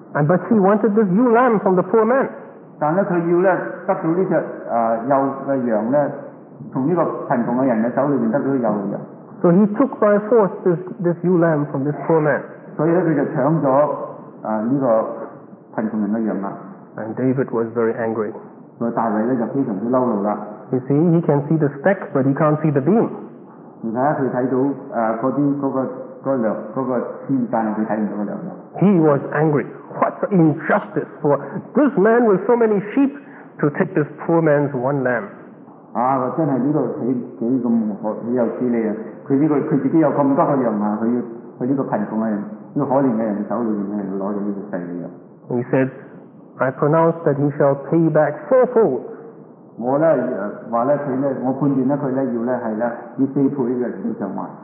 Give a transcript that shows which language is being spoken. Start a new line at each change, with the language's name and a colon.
English: But he wanted this ewe lamb from the poor man. So he took by force this ewe lamb from this poor man.
Cantonese: 所以呢佢就搶咗呢個貧窮人嘅羊啦。
English: And David was very angry.
Cantonese: 所以大衛咧就非常之嬲怒啦。
English: You see, he can see the stick, but he can't see the beam.
Cantonese: 你睇下佢睇到嗰啲嗰個箭，但係佢睇唔到個羊啦。
English: He was angry. What injustice for this man with so many sheep to take this poor man's one lamb?
Cantonese: 真係呢度幾咁可有此理啊！佢呢個佢自己有咁多個羊啊，佢呢個貧窮嘅人，呢個可憐嘅人手裏面咧攞咗呢個細嘅羊。
English: He said, "I pronounce that he shall pay back fourfold."
Cantonese: 我咧話咧佢咧，我判斷咧佢咧要咧係咧以四倍嘅賠償還。